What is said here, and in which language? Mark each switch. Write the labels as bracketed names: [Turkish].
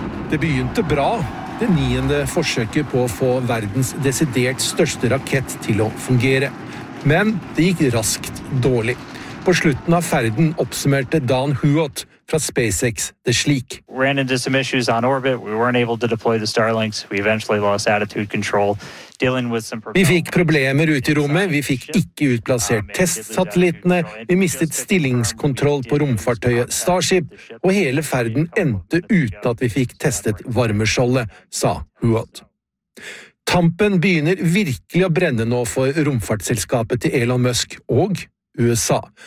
[Norwegian] Det begynte bra. Det niende forsøket på å få verdens desidert største rakett til å fungere. Men det gikk raskt dårlig. På slutten av ferden oppsummerte Dan Huot fra SpaceX det slik. [English] Ran into some issues on orbit. We weren't able to deploy the Starlinks. We eventually lost attitude control. [Norwegian] Vi fikk problemer ute I rommet, vi fikk ikke utplassert testsatellittene, vi mistet stillingskontroll på romfartøyet Starship, og hele ferden endte uten at vi fikk testet varmeskjoldet, sa Huot. Tampen begynner virkelig å brenne nå for romfartsselskapet til Elon Musk og USA.